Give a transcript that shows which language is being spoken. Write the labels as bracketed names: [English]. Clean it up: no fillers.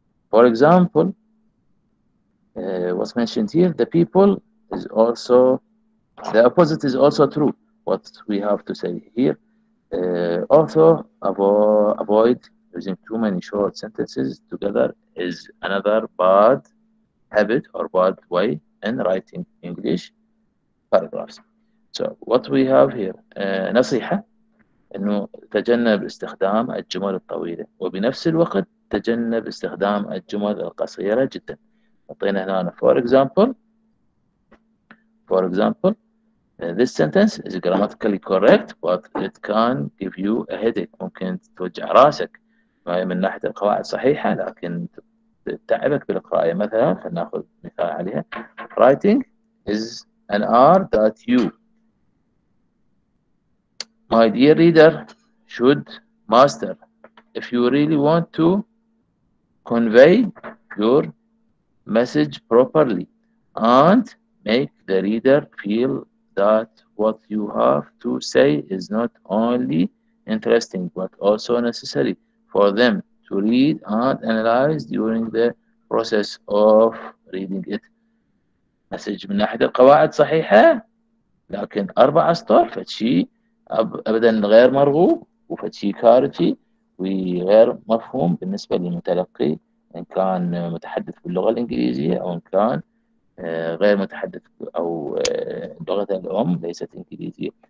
[English] For example, what's mentioned here, the people is also, the opposite is also true. What we have to say here, also avoid using too many short sentences together is another bad habit or bad way in writing English paragraphs. So what we have here, [Arabic] نصيحة إنه تجنب استخدام الجمل الطويلة وبنفس الوقت تجنب استخدام الجمل القصيرة جدا. أعطينا هنا [English] for example, this sentence is grammatically correct but it can give you a headache. [Arabic] ممكن توجع راسك من ناحية القواعد صحيحة لكن تعبك بالقراءة. مثلا فنأخذ مثال عليها. [English] Writing is an art that you, my dear reader, should master if you really want to convey your message properly and make the reader feel that what you have to say is not only interesting but also necessary for them to read and analyze during the process of reading it. [Arabic] مسج من ناحية القواعد صحيحة لكن أربع أسطر فتشي أبدا غير مرغوب وفتشي كارثي وغير مفهوم بالنسبة للمتلقي إن كان متحدث باللغة الإنجليزية أو إن كان غير متحدث أو لغة الأم ليست إنجليزية.